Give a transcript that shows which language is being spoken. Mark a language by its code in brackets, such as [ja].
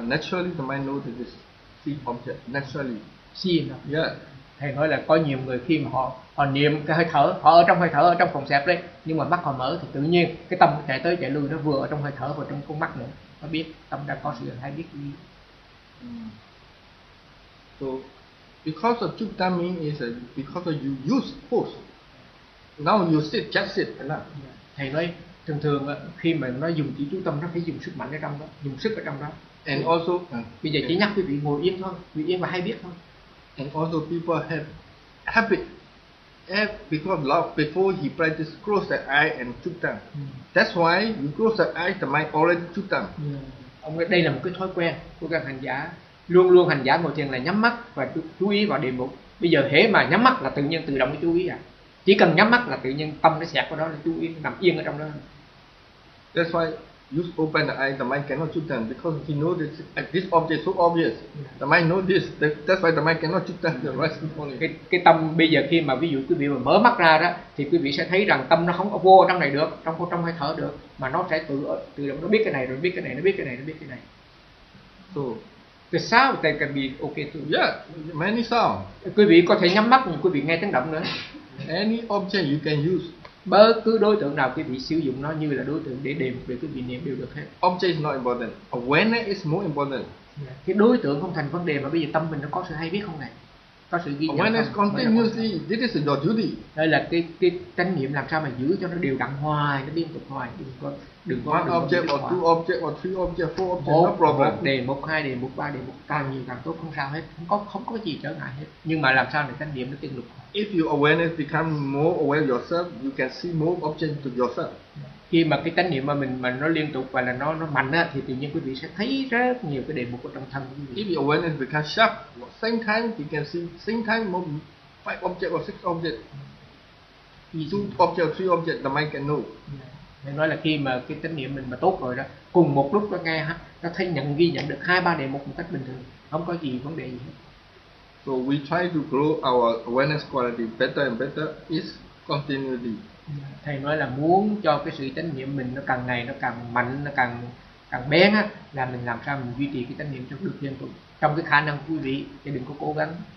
[en] Naturally the mind knows this. See object, naturally. See. Yeah. [vi] Thầy nói là có nhiều người khi mà họ niệm cái hơi thở, họ ở trong hơi thở, ở trong phòng xẹp đấy, nhưng mà mắt họ mở thì tự nhiên cái tâm chạy tới chạy lui, nó vừa ở trong hơi thở vừa trong con mắt nữa. Nó biết tâm đã có sự hay biết gì. [en] So because of [vi] chúng ta [en] mean is because of you use force. Now you sit, just sit. [vi] Thầy nói thường thường khi mà nó dùng chỉ chú tâm, nó phải dùng sức mạnh ở trong đó, dùng sức ở trong đó. [en] And also [vi] bây giờ chỉ nhắc quý vị ngồi yên thôi, quý vị yên và hay biết thôi. [en] And also people have habit, have become love before he practice close the eye and chukta. That's why you close the eye, the mind already chukta. [vi] Ông nói đây là một cái thói quen của các hành giả. Luôn luôn hành giả ngồi thiền là nhắm mắt và chú ý vào đề mục. Bây giờ hễ mà nhắm mắt là tự nhiên tự động cái chú ý à. Chỉ cần nhắm mắt là tự nhiên tâm nó xẹt vào đó, là chú ý nằm yên ở trong đó. [en] That's why you open the eye, the mind cannot chukta, because he knows this, this object is so obvious. The mind knows this, that's why the mind cannot chukta the rest of the body. [vi] Cái tâm bây giờ khi mà ví dụ quý vị mà mở mắt ra đó, thì quý vị sẽ thấy rằng tâm nó không có vô ở trong này được, trong trong hơi thở được, mà nó sẽ tự động nó biết cái này rồi biết cái này, nó biết cái này, nó biết cái này. [en] So, the sound they can be okay too. Yeah, many sound. [vi] Quý vị có thể nhắm mắt, quý vị nghe tiếng động nữa. [en] Any object you can use. [vi] Bất cứ đối tượng nào quý vị sử dụng nó như là đối tượng để đềm về quý vị niệm đều được hết. [en] Object is not important. Awareness is more important. [vi] Cái đối tượng không thành vấn đề, mà bây giờ tâm mình nó có sự hay biết không này? Có sự ghi nhận. [en] Awareness [vi] không? [en] Continuously, this is your duty. [vi] Đây là cái chánh niệm làm sao mà giữ cho nó đều đặn hoài, nó liên tục hoài. Đừng có [en] one object or two object or three object, four object, no problem. [vi] Một đề, một hai đề, một ba đề, một càng nhiều càng tốt, không sao hết. Không có gì trở ngại hết. Nhưng mà làm sao để chánh niệm nó tiên lục? [en] If your awareness become more aware of yourself, you can see more object to yourself. [vi] Khi mà cái chánh niệm mà mình nó liên tục và là nó mạnh á, thì tự nhiên quý vị sẽ thấy rất nhiều cái đề mục ở trong thân của quý vị. [en] If your awareness become sharp, same time you can see same time more five object or six object. Two object or three object the mind can know. [vi] Thầy nói là khi mà cái chánh niệm mình mà tốt rồi đó, cùng một lúc nó nghe ha, nó thấy nhận ghi nhận được hai ba đề mục một cách bình thường, không có gì vấn đề gì hết. [en] So we try to grow our awareness quality better and better is continually. [vi] Thầy nói là muốn cho cái sự chánh niệm mình nó càng ngày nó càng mạnh, nó càng bén á, là mình làm sao mình duy trì cái chánh niệm trong được liên tục trong cái khả năng quý vị, chứ đừng có cố gắng.